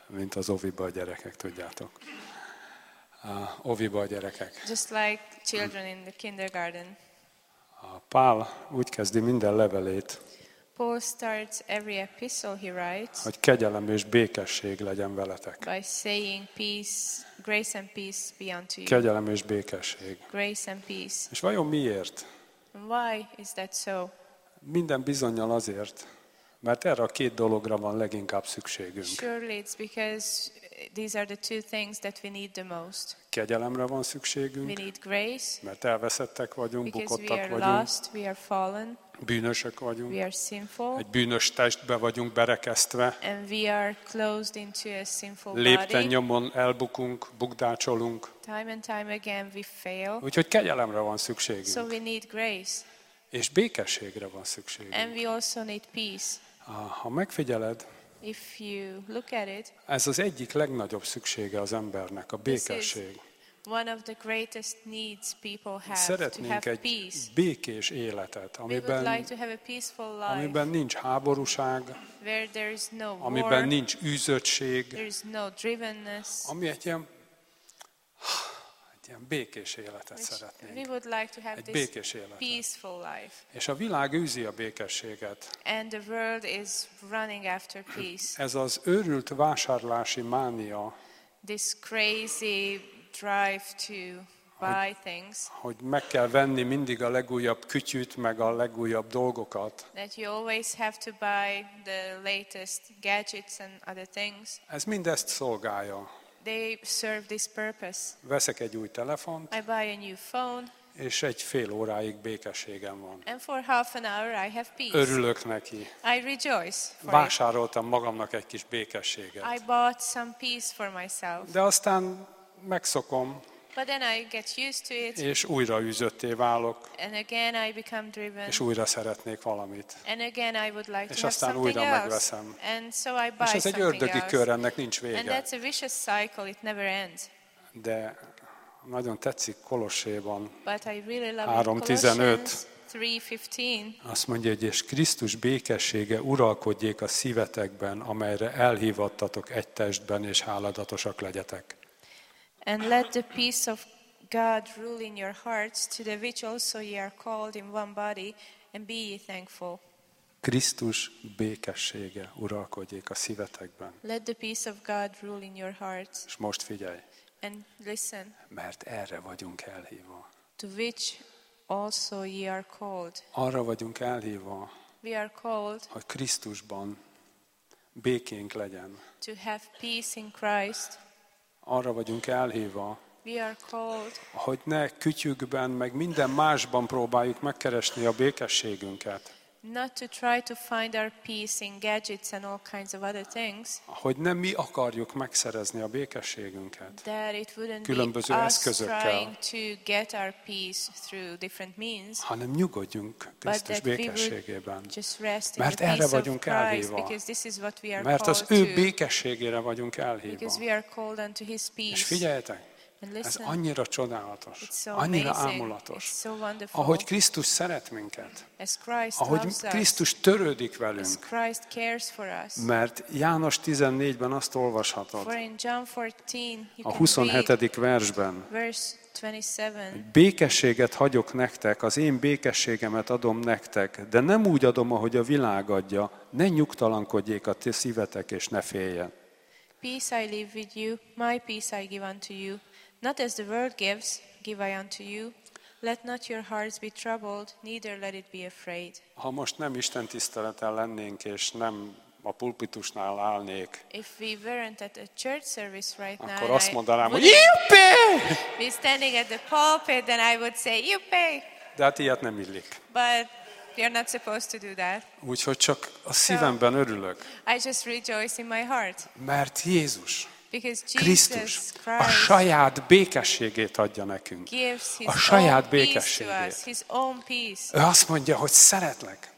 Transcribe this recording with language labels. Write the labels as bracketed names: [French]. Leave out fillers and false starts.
[Hungarian] Mint az Oviba a gyerekek, tudjátok. Oviba a gyerekek. [English] Just like children in the kindergarten. [Hungarian] A Pál úgy kezdi minden levelét. [English] Paul starts every epistle he writes. [Hungarian] Hogy kegyelem és békesség legyen veletek. [English] By saying peace, grace and peace be unto you. [Hungarian] Kegyelem és békesség. [English] Grace and peace. [Hungarian] És vajon miért? [English] Why is that so? [Hungarian] Minden bizonnyal azért, mert erre a két dologra van leginkább szükségünk. [English] Surely it's because these are the two things that we need the most. [Hungarian] Kegyelemre van szükségünk. [English] We need grace. [Hungarian] Mert elveszettek vagyunk, bukottak vagyunk. [English] Because we are lost, we are fallen. [Hungarian] Bűnösök vagyunk. [English] We are sinful. [Hungarian] Egy bűnös testbe vagyunk berekesztve. [English] And we are closed into a sinful body. [Hungarian] Lépten nyomon elbukunk, bukdácsolunk. [English] Time and time again we fail. [Hungarian] Úgyhogy kegyelemre van szükségünk. [English] So we need grace. [Hungarian] És békességre van szükségünk. [English] And we also need peace. [Hungarian] Ha megfigyeled, [English] if you look at it, [Hungarian] ez az egyik legnagyobb szüksége az embernek, a békesség. [English] One of the greatest needs people have. [Hungarian] Szeretnénk [English] to have [Hungarian] egy [English] peace. [Hungarian] Békés életet, amiben, [English] we would like to have a peaceful life, [Hungarian] amiben nincs háborúság, [English] where there is no war, [Hungarian] amiben nincs üzöttség, [English] there is no drivenness, [Hungarian] ami egy ilyen békés életet szeretnénk. [English] We would like to have [Hungarian] egy [English] this [Hungarian] békés életet. [English] Peaceful life. [Hungarian] És a világ űzi a békességet. [English] And the world is running after peace. [Hungarian] Ez az őrült vásárlási mánia. [English] This crazy drive to buy things. [Hungarian] Hogy meg kell venni mindig a legújabb kütyüt, meg a legújabb dolgokat. [English] That you always have to buy the latest gadgets and other things. [Hungarian] Ez mindezt szolgálja. [English] They serve this purpose. [Hungarian] Veszek egy új telefont. [English] I buy a new phone. [Hungarian] És egy fél óráig békességem van. [English] And for half an hour I have peace. [Hungarian] Örülök neki. [English] I rejoice. [Hungarian] Vásároltam magamnak egy kis békességet. [English] I bought some peace for myself. [Hungarian] De aztán megszokom, [English] but then I get used to it, [Hungarian] és újra üzötté válok, [English] and again I become driven, [Hungarian] és újra szeretnék valamit, [English] and again I would like [Hungarian] és [English] to [Hungarian] aztán [English] have something [Hungarian] újra megveszem. [English] And so I buy [Hungarian] és ez egy ördögi [English] else. [Hungarian] Kör, ennek nincs vége. [English] And that's a vicious cycle, it never ends. [Hungarian] De nagyon tetszik Kolosséban, [English] but I really love [Hungarian] 3:15, [English] Colossians 3:15, [Hungarian] azt mondja, hogy és Krisztus békessége uralkodjék a szívetekben, amelyre elhívattatok egy testben, és háladatosak legyetek. [English] And let the peace of God rule in your hearts, to the which also ye are called in one body, and be ye thankful. [Hungarian] Krisztus békessége uralkodjék a szívetekben. [English] Let the peace of God rule in your hearts. [Hungarian] És most figyelj. [English] And listen. [Hungarian] Mert erre vagyunk elhívva. [English] To which also ye are called. [Hungarian] Arra vagyunk elhívva. [English] We are called. [Hungarian] Hogy Krisztusban békénk legyen. [English] To have peace in Christ. [Hungarian] Arra vagyunk elhívva, [English] we are called, [Hungarian] hogy ne kütyükben, meg minden másban próbáljuk megkeresni a békességünket. [English] Not to try to find our peace in gadgets and all kinds of other things. [Hungarian] Hogy nem mi akarjuk megszerezni a békességünket. [English] That it wouldn't [Hungarian] különböző [English] be [Hungarian] eszközökkel, [English] us trying to get our peace through different means. [Hungarian] Hanem nyugodjunk Krisztus békességében. [English] Just rest in [Hungarian] mert [English] the [Hungarian] erre [English] peace [Hungarian] vagyunk [English] of Christ, [Hungarian] elhívva. [English] Because this is what we are [Hungarian] mert [English] called [Hungarian] az ő békességére vagyunk elhívva. [English] Because we are called unto his peace. [Hungarian] És figyeljetek! [English] And listen, [Hungarian] ez annyira csodálatos, [English] it's so [Hungarian] annyira [English] amazing, [Hungarian] ámulatos, [English] it's so wonderful, [Hungarian] ahogy Krisztus szeret minket, [English] as Christ [Hungarian] ahogy [English] loves us, [Hungarian] Krisztus törődik velünk, [English] as Christ cares for us. [Hungarian] Mert János 14-ben azt olvashatod, [English] for in John 14, [Hungarian] a 27. versben, [English] verse 27, [Hungarian] békességet hagyok nektek, az én békességemet adom nektek, de nem úgy adom, ahogy a világ adja, ne nyugtalankodjék a ti szívetek, és ne féljen. [English] Peace I leave with you, my peace I give unto you. Not as the world gives, give I unto you. Let not your hearts be troubled, neither let it be afraid. [Hungarian] Ha most nem Isten tiszteleten lennénk, és nem a pulpitusnál állnék, [English] if we weren't at a church service right [Hungarian] akkor [English] now, [Hungarian] akkor azt mondanám, hogy juppé! [English] Be standing at the pulpit, then I would say, juppé! [Hungarian] De hát ilyet nem illik. [English] But you're not supposed to do that. [Hungarian] Úgyhogy csak a szívemben örülök. [English] I just rejoice in my heart. [Hungarian] Mert Jézus, [English] because Jesus [Hungarian] Krisztus [English] Christ [Hungarian] a saját békességét adja nekünk. [English] Gives his [Hungarian] a saját [English] own [Hungarian] békességét. [English] Peace to us, his own peace. [Hungarian] Ő azt mondja, hogy szeretlek.